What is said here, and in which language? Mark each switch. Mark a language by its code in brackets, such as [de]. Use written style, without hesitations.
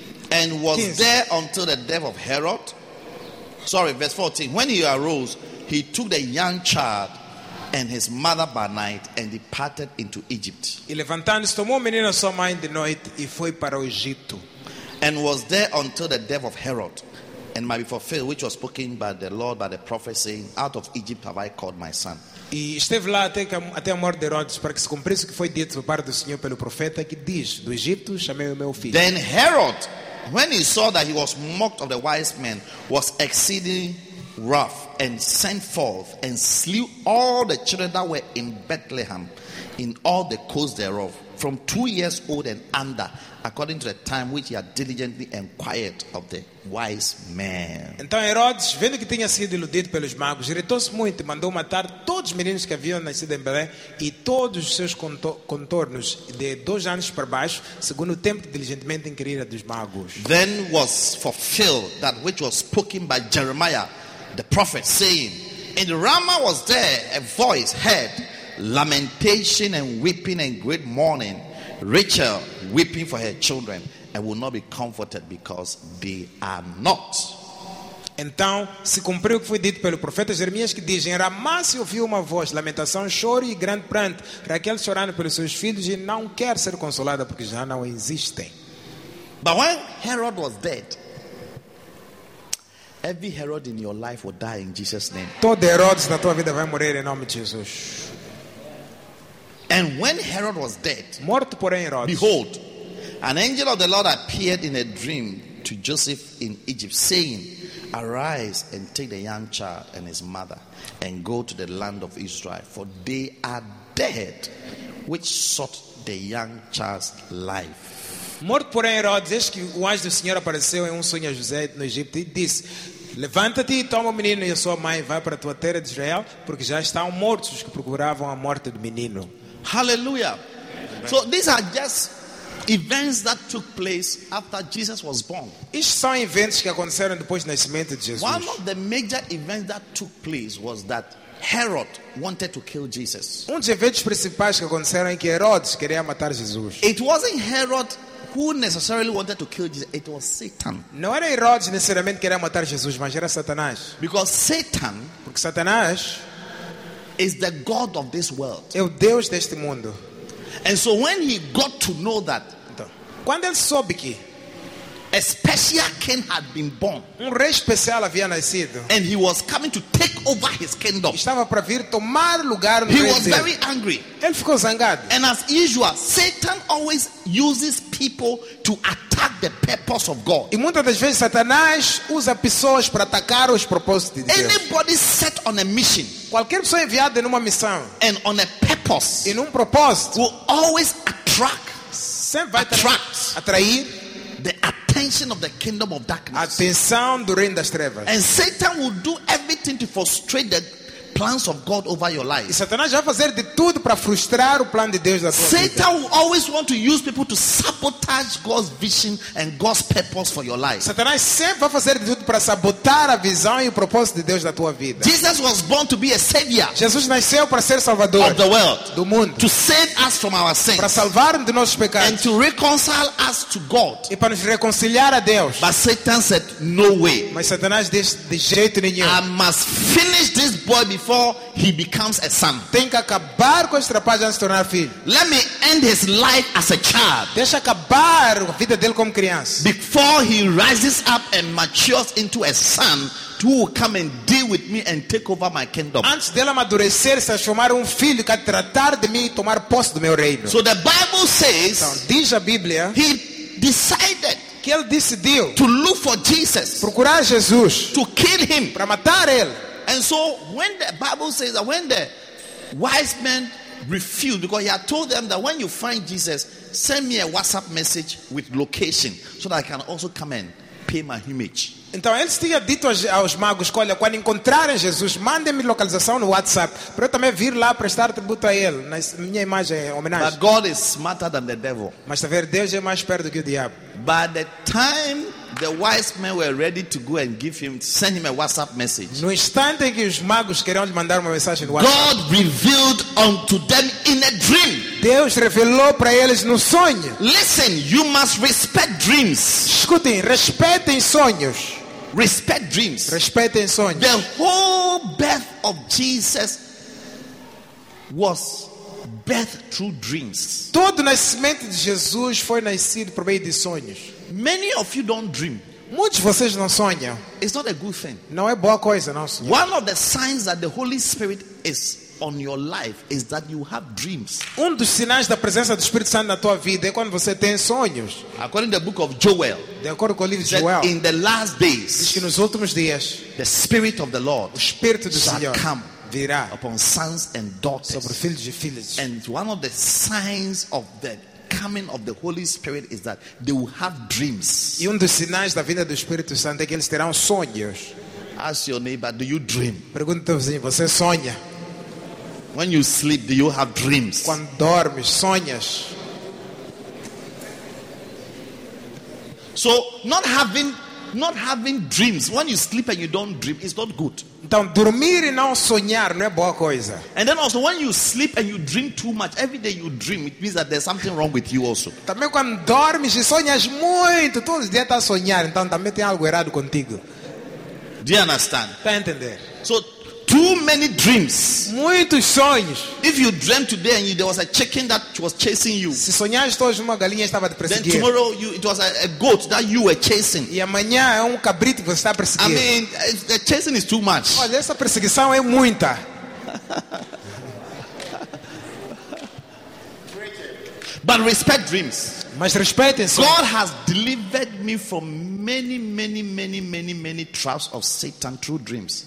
[en] And was there until the death of Herod. Sorry, verse 14. When he arose, he took the young child and his mother by night and departed into Egypt. [pt] E levantando-se, tomou o menino a sua mãe de noite e foi para o Egito. [en] And was there until the death of Herod, and might be fulfilled, which was spoken by the Lord, by the prophet, saying, out of Egypt have I called my son. [pt] E esteve lá até a morte de Herodes, para que se cumprisse o que foi dito por parte do Senhor pelo profeta, que diz, do Egito chamei o meu filho. [en] Then Herod, when he saw that he was mocked of the wise men, was exceeding wroth, and sent forth and slew all the children that were in Bethlehem, in all the coasts thereof, from 2 years old and under, according to the time which he had diligently inquired of the wise men. [pt] Então Herodes, vendo que tinha sido iludido pelos magos, irritou-se muito e mandou matar todos os meninos que haviam nascido em Belém e todos os seus contornos de 2 anos para baixo, segundo o tempo que diligentemente inquirira dos magos. [en] Then was fulfilled that which was spoken by Jeremiah the prophet, saying, in Ramah was there a voice heard, lamentation and weeping and great mourning, Rachel weeping for her children, and will not be comforted because they are not. [pt] Então se cumpriu o que foi dito pelo profeta Jeremias, que diz, em Ramá se ouviu uma voz, lamentação, choro e grande pranto, Raquel chorando pelos seus filhos e não quer ser consolada porque já não existem. [en] But when Herod was dead, every Herod in your life will die in Jesus' name. [pt] Todo Herod na tua vida vai morrer em nome de Jesus. [en] And when Herod was dead, [pt] morto porém Herodes, [en] behold, an angel of the Lord appeared in a dream to Joseph in Egypt, saying, arise and take the young child and his mother and go to the land of Israel, for they are dead which sought the young child's life. [pt] Morto, porém, Herodes, eis que o anjo do Senhor apareceu em um sonho a José no Egito e disse: levanta-te e toma o menino e a sua mãe, vai para a tua terra de Israel, porque já estão mortos os que procuravam a morte do menino. Aleluia! [en] So these are just events that took place after Jesus was born. [pt] Estes são eventos que aconteceram depois do nascimento de Jesus. [en] One of the major events that took place was that Herod wanted to kill Jesus. [pt] Um dos eventos principais que aconteceram é que Herodes queria matar Jesus. [en] It wasn't Herod who necessarily wanted to kill Jesus. It was Satan. [pt] Não era Herodes necessariamente que queria matar Jesus, mas era Satanás. [en] Because Satan, [pt] porque Satanás [en] is the god of this world. [pt] É o deus deste mundo. [en] And so when he got to know that, [pt] então, quando ele soube que [en] a special king had been born, [pt] um rei especial havia nascido, [en] and he was coming to take over his kingdom, [pt] estava para vir tomar lugar no reino, [en] he was very angry. [pt] Ele ficou zangado. [en] And as usual, Satan always uses people to attack the purpose of God. [pt] E muitas das vezes Satanás usa pessoas para atacar os propósitos de Deus. [en] Anybody set on a mission, [pt] qualquer pessoa enviada numa missão, [en] and on a purpose, [pt] em um propósito, [en] will always attract, [pt] sempre vai atrair [en] the attention of the kingdom of darkness. [pt] Atenção do reino das trevas. [en] And Satan will do everything to frustrate the plans of God over your life. [pt] E Satanás vai fazer de tudo para frustrar o plano de Deus na tua vida. [en] Satan will always want to use people to sabotage God's vision and God's purpose for your life. [pt] Satanás sempre vai fazer de tudo para sabotar a visão e o propósito de Deus na tua vida. [en] Jesus was born to be a savior. [pt] Jesus nasceu para ser salvador [en] of the world, [pt] do mundo, [en] to save us from our sins, [pt] para salvar-nos dos nossos pecados, [en] and to reconcile us to God, [pt] e para nos reconciliar a Deus. [en] But Satan said, no way. [pt] Mas Satanás disse, de jeito nenhum. [en] I must finish this boy before he becomes a son. [pt] Tem que acabar com este rapaz antes de tornar filho. [en] Let me end his life as a child. [pt] Deixa acabar a vida dele como criança. [en] Before he rises up and matures into a son who will come and deal with me and take over my kingdom. [pt] Antes dele amadurecer, se transformar em filho que tratar de mim e tomar posse do meu reino. [en] So the Bible says, [pt] então, diz a Bíblia, [en] he decided, [pt] que ele decidiu, [en] to look for Jesus, [pt] procurar Jesus, [en] to kill him, [pt] para matar ele. [en] And so when the Bible says that when the wise men refused, because he had told them that when you find Jesus, send me a WhatsApp message with location so that I can also come and pay my homage. [pt] Então eles tinham dito aos magos, olha, quando encontrarem Jesus, mandem-me localização no WhatsApp para eu também vir lá prestar tributo a ele, na minha imagem, homenagem. [en] But God is smarter than the devil. [pt] Mas a ver, Deus é mais esperto que o diabo. [en] By the time the wise men were ready to go and give him, send him a WhatsApp message, [pt] no instante que os magos queriam lhe mandar uma mensagem no WhatsApp, [en] God revealed unto them in a dream. [pt] Deus revelou para eles no sonho. [en] Listen, you must respect dreams. [pt] Escutem, respeitem sonhos. [en] Respect dreams. [pt] Respeitem sonhos. [en] The whole birth of Jesus was birth through dreams. [pt] Todo nascimento de Jesus foi nascido por meio de sonhos. [en] Many of you don't dream. [pt] Muitos de vocês não sonham. [en] It's not a good thing. [pt] Não é boa coisa não sonhar. [en] One of the signs that the Holy Spirit is on your life is that you have dreams. [pt] Um dos sinais da presença do Espírito Santo na tua vida é quando você tem sonhos. [en] According to the book of Joel, [pt] de acordo com o livro de Joel, [en] in the last days, [pt] diz que nos últimos dias, [en] the Spirit of the Lord, [pt] o Espírito do Senhor, [en] come [pt] virá [en] upon sons and daughters, [pt] sobre filhos e filhas. [en] And one of the signs of the coming of the Holy Spirit is that they will have dreams. [pt] E um dos sinais da vinda do Espírito Santo é que eles terão sonhos. [en] Ask your neighbor, do you dream? [pt] Pergunta ao vizinho, você sonha? [en] When you sleep, do you have dreams? [pt] Quando dormes, sonhas? [en] So, not having dreams, when you sleep and you don't dream, is not good. [pt] Então, dormir e não sonhar não é boa coisa. [en] And then also, when you sleep and you dream too much, every day you dream, it means that there's something wrong with you also. [pt] Também quando dormes e sonhas muito, todos os dias estás a sonhar, então também tem algo errado contigo. [en] Do you understand? [pt] Para entender. [en] So, too many dreams. [pt] Muitos sonhos. [en] If you dream today and there was a chicken that was chasing you, [pt] se sonhaste hoje uma galinha estava a perseguir, [en] then tomorrow it was a goat that you were chasing, [pt] e amanhã é cabrito que você está a perseguir. [en] I mean, the chasing is too much. [pt] Olha, essa perseguição é muita. [en] But respect dreams. [pt] Mas respeitem-se. [en] God has delivered me from many traps of Satan through dreams.